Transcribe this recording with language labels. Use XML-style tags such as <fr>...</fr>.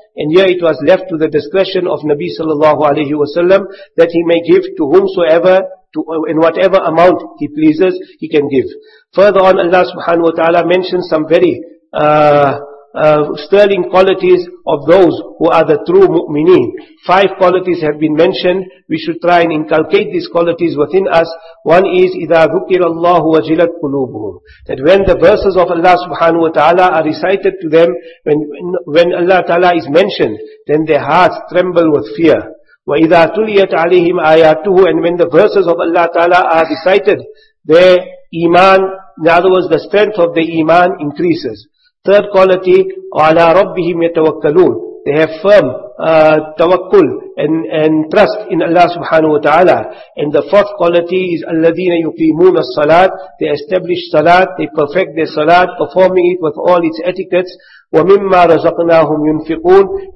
<en>And here it was left to the discretion of Nabi sallallahu alayhi wa sallam, that he may give to whomsoever, in whatever amount he pleases, he can give. Further on, Allah subhanahu wa ta'ala mentions some very sterling qualities of those who are the true mu'mineen. Five qualities have been mentioned. We should try and inculcate these qualities within us.</en> <ar>One is, إِذَا ذُكِرَ اللَّهُ وَجِلَتْ قُلُوبُهُمْ.</ar> <en>That when the verses of Allah subhanahu wa ta'ala are recited to them, when Allah ta'ala is mentioned, then their hearts tremble with fear.</en> <ar>وَإِذَا تُلِيَتْ عَلَيْهِمْ آيَاتُهُ.</ar> <en>And when the verses of Allah ta'ala are recited, their iman, in other words, the strength of the iman increases.</en> <ar>Third quality, عَلَىٰ رَبِّهِمْ يَتَوَكَّلُونَ.</ar> <en>They have firm tawakkul and trust in Allah subhanahu wa ta'ala. And the fourth quality is</en> <ar>الَّذِينَ يُقِيمُونَ الصَّلَاةِ.</ar> <en>They establish salat, they perfect their salat, performing it with all its etiquettes.</en> <ar>وَمِمَّا رَزَقْنَاهُمْ يُنْفِقُونَ.</ar>